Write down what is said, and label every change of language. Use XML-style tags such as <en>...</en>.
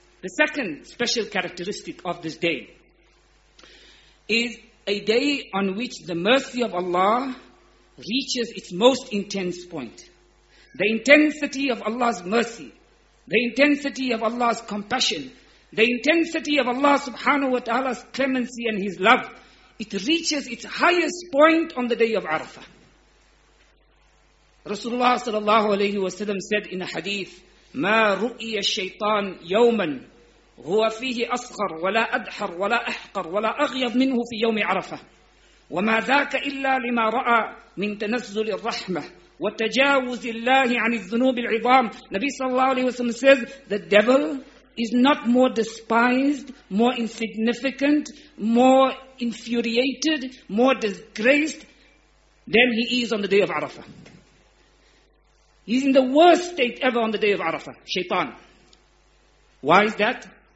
<en>The second special characteristic of this day is a day on which the mercy of Allah reaches its most intense point. The intensity of Allah's mercy, the intensity of Allah's compassion, the intensity of Allah subhanahu wa ta'ala's clemency and His love, it reaches its highest point on the day of Arafah. Rasulullah sallallahu alayhi wa sallam said in a hadith,</en> <ar>مَا رُؤِيَ الشَّيْطَانِ يَوْمًا هُوَ فِيهِ أَصْغَرْ وَلَا أَدْحَرْ وَلَا أَحْقَرْ وَلَا أَغْيَضْ مِنْهُ فِي يَوْمِ عَرَفَةِ وَمَا ذَاكَ إِلَّا لِمَا رَأَى مِنْ تَنَزُّلِ الرَّحْمَةِ وَتَجَاوُزِ اللَّهِ عَنِ الذُّنُوبِ الْعِظَامِ.</ar> <en>Nabi sallallahu alayhi wa sallam says, the devil is not more despised, more insignificant, more infuriated, more disgraced than he is on the day of Arafah. He's in the worst state ever on the day of Arafah, shaitan. Why is that?</en>